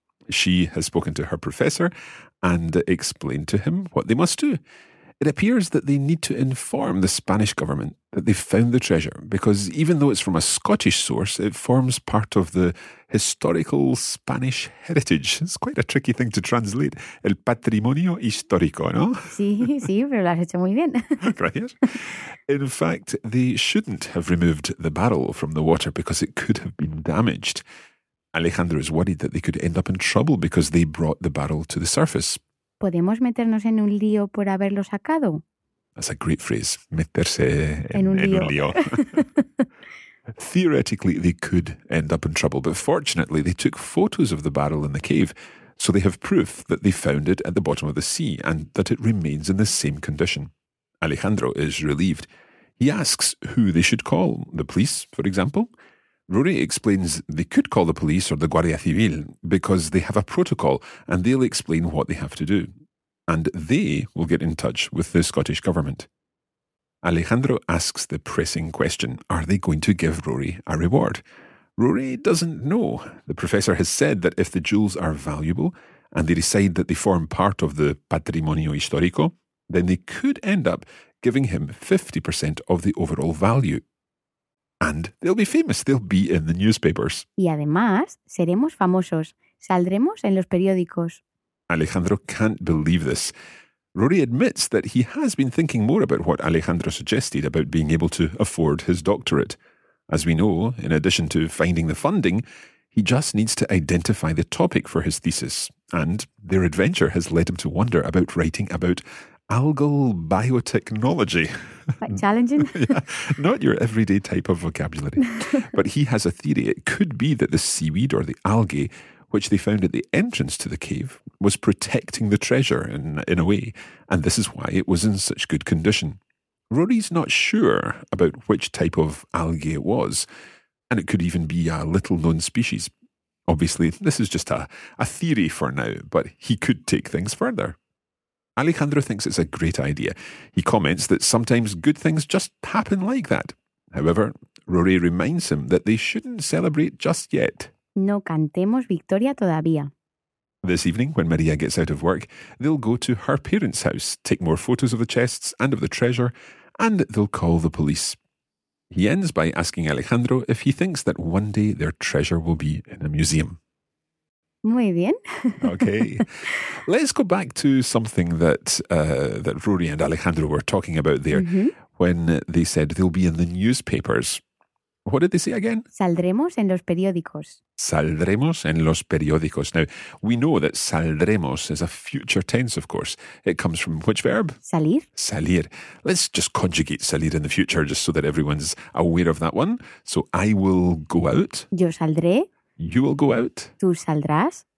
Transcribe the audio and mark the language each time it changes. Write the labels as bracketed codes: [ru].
[en] She has spoken to her professor and explained to him what they must do. It appears that they need to inform the Spanish government that they've found the treasure, because even though it's from a Scottish source, it forms part of the historical Spanish heritage. It's quite a tricky thing to translate. [es] El patrimonio histórico, ¿no? Sí, sí, pero lo has hecho muy bien. Gracias. [en] In fact, they shouldn't have removed the barrel from the water because it could have been damaged. Alejandro is worried that they could end up in trouble because they brought the barrel to the surface. [es] ¿Podemos meternos en un lío por haberlo sacado? [en] That's a great phrase, [es] meterse en un lío. [en] Theoretically, they could end up in trouble, but fortunately, they took photos of the barrel in the cave, so they have proof that they found it at the bottom of the sea and that it remains in the same condition. Alejandro is relieved. He asks who they should call, the police, for example. Rory explains they could call the police or the Guardia Civil because they have a protocol and they'll explain what they have to do. And they will get in touch with the Scottish government. Alejandro asks the pressing question, are they going to give Rory a reward? Rory doesn't know. The professor has said that if the jewels are valuable and they decide that they form part of the patrimonio histórico, then they could end up giving him 50% of the overall value. And they'll be famous, they'll be in the newspapers. [es] Y además, seremos famosos, saldremos en los periódicos. [en] Alejandro can't believe this. Rory admits that he has been thinking more about what Alejandro suggested about being able to afford his doctorate. As we know, in addition to finding the funding, he just needs to identify the topic for his thesis. And their adventure has led him to wonder about writing about algal biotechnology. Quite challenging. Not your everyday type of vocabulary. But he has a theory. It could be that the seaweed or the algae, which they found at the entrance to the cave, was protecting the treasure in a way. And this is why it was in such good condition. Rory's not sure about which type of algae it was. And it could even be a little known species. Obviously, this is just a theory for now, but he could take things further. Alejandro thinks it's a great idea. He comments that sometimes good things just happen like that. However, Rory reminds him that they shouldn't celebrate just yet. [es] No cantemos victoria todavía. [en] This evening, when María gets out of work, they'll go to her parents' house, take more photos of the chests and of the treasure, and they'll call the police. He ends by asking Alejandro if he thinks that one day their treasure will be in a museum. [es] Muy bien. [en] Okay. Let's go back to something that Rory and Alejandro were talking about there when they said they'll be in the newspapers. What did they say again? [es] Saldremos en los periódicos. Saldremos en los periódicos. [en] Now, we know that saldremos is a future tense, of course. It comes from which verb? [es] Salir. Salir. [en] Let's just conjugate salir in the future just so that everyone's aware of that one. So, I will go out. [es] Yo saldré. [en] You will go out. [es] Tú saldrás.